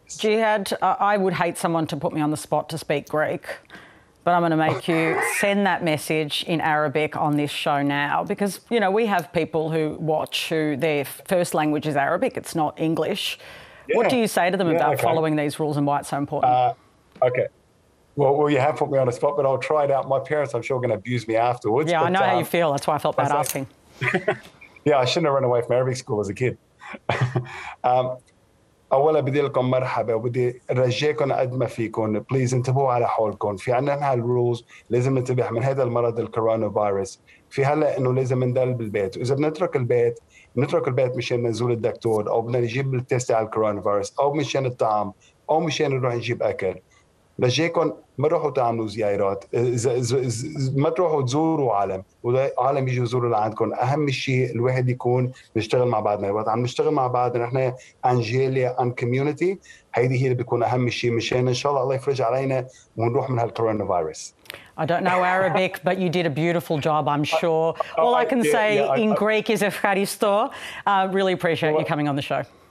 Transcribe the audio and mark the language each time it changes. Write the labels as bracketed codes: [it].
[en] Jihad, I would hate someone to put me on the spot to speak Greek, but I'm going to make you send that message in Arabic on this show now because, you know, we have people who watch who their first language is Arabic, it's not English. Yeah. What do you say to them about following these rules and why it's so important? Well, you have put me on the spot, but I'll try it out. My parents, I'm sure, are going to abuse me afterwards. Yeah, I know how you feel. That's why I felt bad asking. Yeah, I shouldn't have run away from Arabic school as a kid. [ar] أولا بدي لكم مرحبا وبدي رجيكم قد ما فيكم بليز انتبهوا على حولكم في عندنا هالرولز لازم ننتبه من هذا المرض الكورونا فيروس في هلا انه لازم نضل بالبيت واذا بنترك البيت بنترك البيت مشان نزور الدكتور او بدنا نجيب التست على الكورونا فيروس او مشان الطعام او مشان نروح نجيب اكل رجيكم ما تروحوا تعملوا زيارات ما تروحوا تزوروا عالم والعالم يجي يزوروا لعندكم أهم شيء الواحد يكون بنشتغل مع بعضنا وقت عم نشتغل مع بعضنا نحن أنجيليا أن كوميونيتي هيدي هي اللي بيكون أهم شيء مشان إن شاء الله الله يفرج علينا ونروح من هالكورونا فيروس. [en] I don't know Arabic, but you did a beautiful job, I'm sure. All I can say in Greek is ευχαριστώ. Really appreciate you coming on the show.